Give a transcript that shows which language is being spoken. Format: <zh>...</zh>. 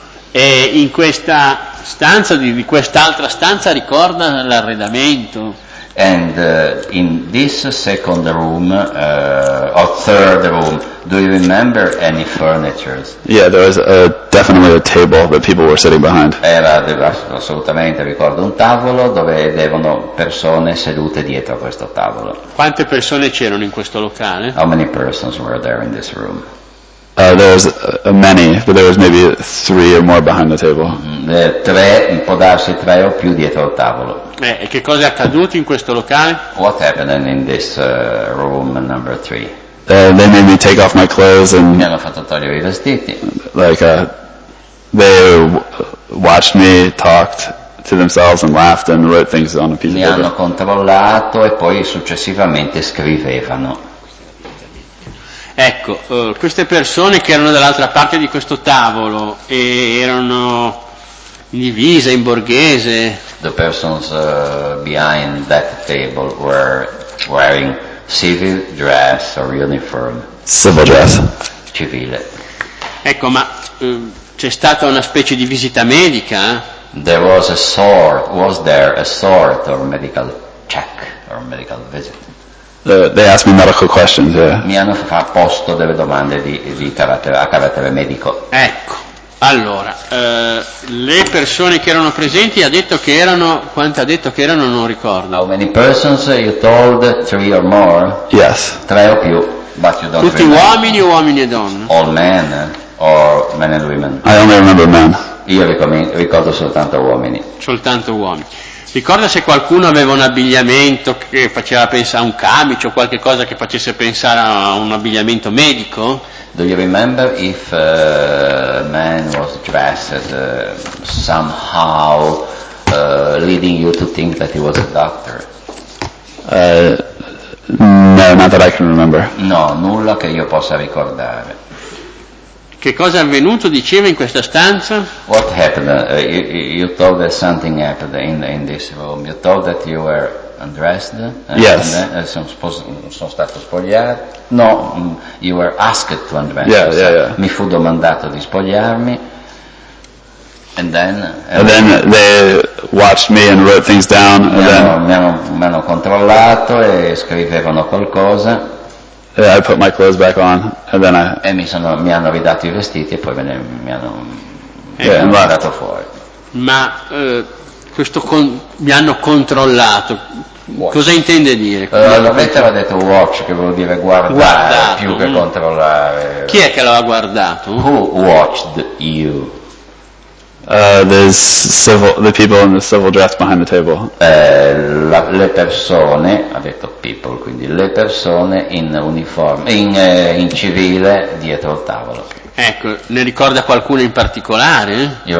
<it>E in questa stanza, di quest'altra stanza, ricorda l'arredamento?</it> <en>And in this second room, or third room, do you remember any furniture? Yeah, there was definitely a table that people were sitting behind.</en> <it>Era, assolutamente, ricordo un tavolo dove vedevano persone sedute dietro a questo tavolo. Quante persone c'erano in questo locale?</it> <en>How many persons were there in this room? There was many, but there was maybe three or more behind the table.</en> <it>Tre, può darsi tre o più dietro al tavolo. E che cosa è accaduto in questo locale?</it> <en>What happened in this room number three? They made me take off my clothes and...</en> <it>Mi hanno fatto togliere i vestiti.</it> <en>Like, they watched me, talked to themselves and laughed and wrote things on a piece of paper.</en> <it>Mi hanno controllato e poi successivamente scrivevano. Ecco, queste persone che erano dall'altra parte di questo tavolo e erano in divisa, in borghese.</it> <en>The persons behind that table were wearing civil dress or uniform. Civil dress.</en> <it>Civile. Ecco, ma c'è stata una specie di visita medica?</it> <en>Was there a sort of medical check or medical visit? They asked me medical questions, yeah.</en> <it>Mi hanno posto delle domande di carattere medico. Ecco, allora, le persone che erano presenti ha detto che erano, non ricordo.</it> <en>How many persons you told, three or more? Yes.</en> <it>Tre o più,</it> <en>but you don't</en> <it>tutti</it> <en>remember.</en> <it>Uomini o uomini e donne?</it> <en>All men, or men and women. I only remember men.</en> <it>Io ricordo soltanto uomini. Soltanto uomini. Ricorda se qualcuno aveva un abbigliamento che faceva pensare a un camice o qualche cosa che facesse pensare a un abbigliamento medico?</it> <en>Do you remember if a man was dressed somehow leading you to think that he was a doctor? No, not that I can remember.</en> <it>No, nulla che io possa ricordare. Che cosa è avvenuto, diceva, in questa stanza?</it> <en>What happened? You told that something happened in this room. You told that you were undressed. Yes.</en> <it>Sono stato spogliato.</it> <en>No. You were asked to undress. Yeah, yeah, yeah.</en> <it>Mi fu domandato di spogliarmi.</it> <en>And then. And then they watched me and wrote things down.</en> <it>Mi hanno controllato e scrivevano qualcosa.</it> <en>Yeah, I put my clothes back on, and then I.</en> <it>E mi hanno ridato i vestiti e poi mi hanno dato fuori. Ma questo mi hanno controllato. Watch. Cosa intende dire? La lettera ha detto watch, che vuol dire guardare più che controllare. Chi è che l'ha guardato?</it> <en>Who watched you? There's the people in the civil dress behind the table.</en> <it>Le persone, ha detto people, quindi le persone in uniforme, in civile dietro il tavolo. Ecco, ne ricorda qualcuno in particolare?</it>